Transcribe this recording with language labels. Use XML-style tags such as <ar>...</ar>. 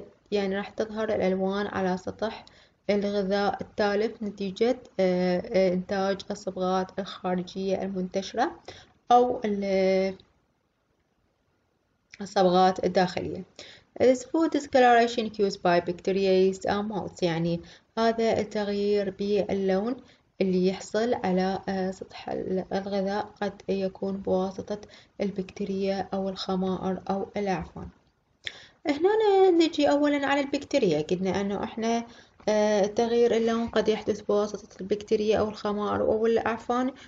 <ar>يعني راح تظهر الالوان على سطح الغذاء التالف نتيجة إنتاج الصبغات الخارجية المنتشرة أو الصبغات الداخلية.</ar> <en>This food discoloration caused by bacteria, yeast and molds.</en> <ar>يعني هذا التغيير باللون اللي يحصل على سطح الغذاء قد يكون بواسطة البكتيريا أو الخمائر أو الأعفان. هنا نجي أولا على البكتيريا، قلنا أنه إحنا تغيير اللون قد يحدث بواسطة البكتيريا أو الخمار أو الأعفان.</ar>